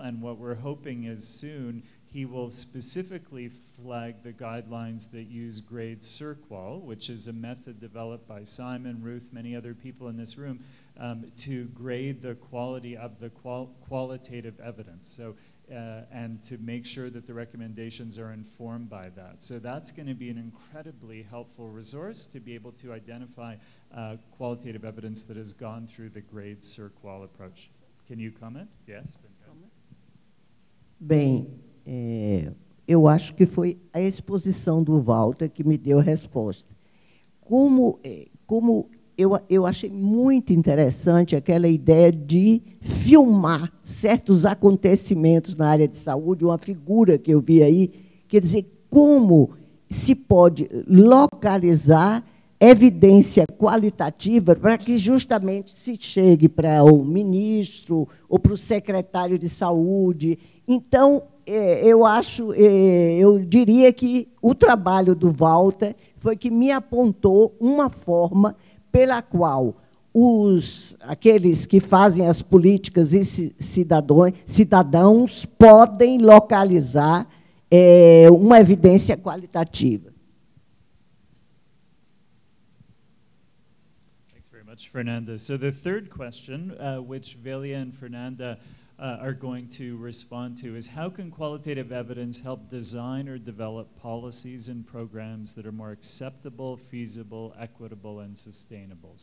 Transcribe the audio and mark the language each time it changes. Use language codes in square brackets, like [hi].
[en] And what we're hoping is soon he will specifically flag the guidelines that use grade CERQUAL, which is a method developed by Simon, Ruth, many other people in this room, to grade the quality of the qualitative evidence, so and to make sure that the recommendations are informed by that. So that's going to be an incredibly helpful resource to be able to identify qualitative evidence that has gone through the grade CERQUAL approach. Can you comment? Yes. [pt] Bem, eu acho que foi a exposição do Walter que me deu a resposta. Como Eu achei muito interessante aquela ideia de filmar certos acontecimentos na área de saúde, uma figura que eu vi aí, quer dizer, como se pode localizar evidência qualitativa para que justamente se chegue para o ministro ou para o secretário de saúde. Então, eu acho, eu diria que o trabalho do Walter foi que me apontou uma forma pela qual os, aqueles que fazem as políticas e cidadãos podem localizar uma evidência qualitativa. [en] Thanks very much, Fernanda. So the third question, which Velia and Fernanda are going to respond to, is how can qualitative evidence help design or develop policies and programs that are more acceptable, feasible, equitable, and sustainable?